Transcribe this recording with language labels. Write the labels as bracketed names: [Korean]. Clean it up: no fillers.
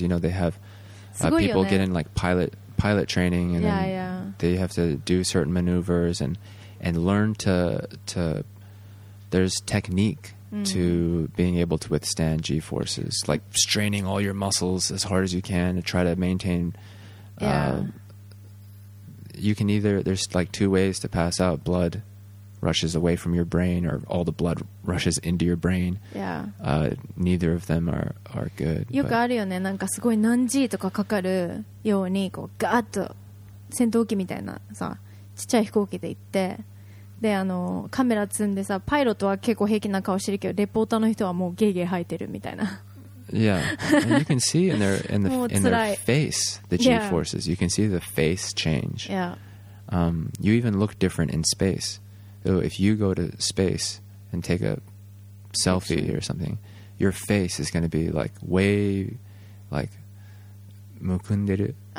[English] You know, they have people get in like pilot training and they have to do certain maneuvers and learn to there's technique to being able to withstand G forces, like straining all your muscles as hard as you can to try to maintain. Yeah. You can either, there's like two ways to pass out. Blood rushes away from your brain or all the blood rushes into your brain. Yeah. Neither of them are good. [Japanese] よくあるよね。なんかすごい何 G とかかかるようにこうガーッと戦闘機みたいなさ、ちっちゃい飛行機で行って、で、あの、カメラ積んでさ、パイロットは結構平気な顔してるけど、レポーターの人はもうゲーゲー吐いてるみたいな。 [English] Yeah, and you can see in their face the G forces. Yeah. You can see the face change. Yeah, you even look different in space. So if you go to space and take a selfie or something, your face is going to be like way like mukunderu.